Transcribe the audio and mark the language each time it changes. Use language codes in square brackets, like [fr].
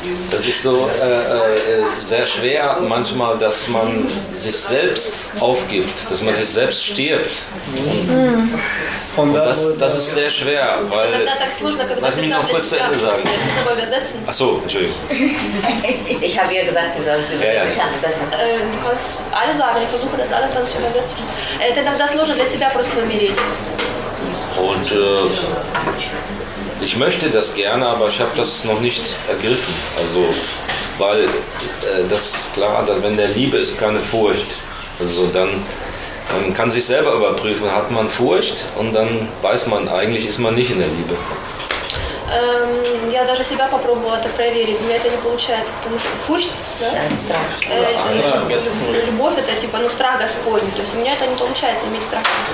[de] das ist so sehr schwer manchmal, dass man sich selbst aufgibt, dass man sich selbst stirbt. Und das ist sehr schwer, weil... Lass mich noch kurz zu Ende sagen. Ach so, Entschuldigung. Ich habe ihr gesagt, sie soll sich besser. Du kannst alles sagen, ich versuche das alles dann zu übersetzen. Denn das ist [ru] сложно для себя просто умереть. [de] Und ich möchte das gerne, aber ich habe das noch nicht ergriffen. Also, weil das klar ist, wenn der Liebe ist, keine Furcht. Also dann, man kann sich selber überprüfen, hat man Furcht und dann weiß man, eigentlich ist man nicht in der Liebe. [ru] Я даже себя попробовала это проверить, у меня это не получается, потому что фурч, да? Страх. Любовь это типа, ну страх Господень, то есть у меня это не получается иметь страх.